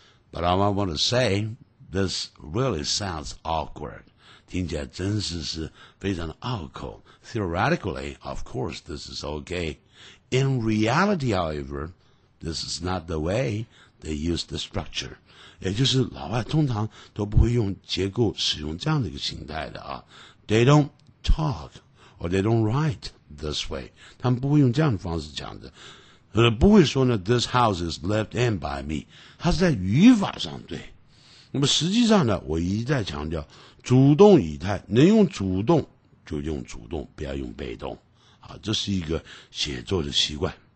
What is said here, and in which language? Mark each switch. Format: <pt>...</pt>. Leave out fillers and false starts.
<en>But I want to say, this really sounds awkward.</en> <zh>听起来真是是非常的拗口。</zh> <en>Theoretically, of course, this is okay. In reality, however, this is not the way they use the structure.</en> <zh>也就是老外通常都不会用结构使用这样的一个形态的啊。</zh> <en>They don't talk, or they don't write this way.</en> <zh>他们不会用这样的方式讲的。不会说呢</zh> <en>This house is left in by me，</en> <zh>它是在语法上对。那么实际上呢，我一再强调主动语态能用主动就用主动，不要用被动啊，这是一个写作的习惯。</zh>